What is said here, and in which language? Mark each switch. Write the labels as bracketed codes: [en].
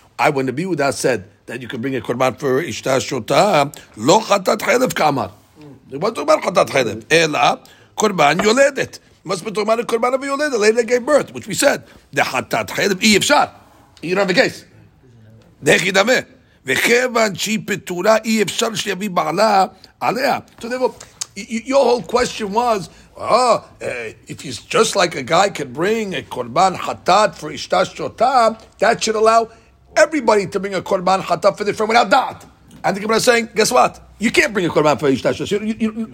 [en] I, when Rabbi Yehuda said that you can bring a korban for ishta shota, lo chatat chedev kamar. What do you mean chatat chedev? Ella. Korban yoledet. Must be talking about a korban of a yoledet, a lady that gave birth, which we said. The hatat chedev, eifshar. You don't have a case. Dechidameh. [he] וכיוון שהיא פטורה, אי אפשר שיביא בעלה עליה. [en] So therefore, your whole question was, if he's just like a guy can bring a korban hatat for ishtas shota, that should allow everybody to bring a korban hatat for the friend without da'at. And the Gemara is saying, guess what? You can't bring a korban for ishtas shota.